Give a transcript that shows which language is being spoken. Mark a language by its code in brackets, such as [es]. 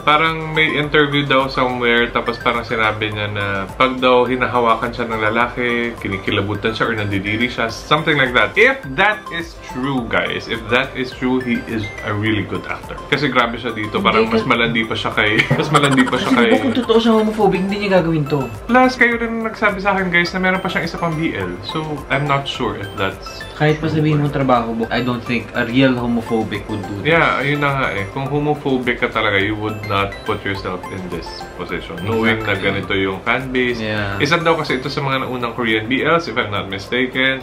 [tl] Parang may interview daw somewhere, tapos parang sinabi niya na pag daw hinahawakan siya ng lalaki, kinikilabutan siya or nandidiri siya. [en] Something like that. If that is true guys, if that is true, he is a really good actor. [tl] Kasi grabe siya dito, parang hindi, mas malandi pa siya kay... Kasi kung totoo siya homophobic, hindi niya gagawin to. Plus, kayo rin nagsabi sa akin guys na meron pa siyang isa pang BL. [en] So, I'm not sure if that's... [tl] Kahit pa sabihin mo trabaho book, [en] I don't think a real homophobic would do this. [tl] Yeah, ayun na nga eh. Kung homophobic ka talaga, [en] you would not put yourself in this position. Knowing exactly. [tl] Na ganito yung fanbase. [en] Yeah. [tl] Isa daw kasi ito sa mga naunang Korean BLs, [en] if I'm not mistaken.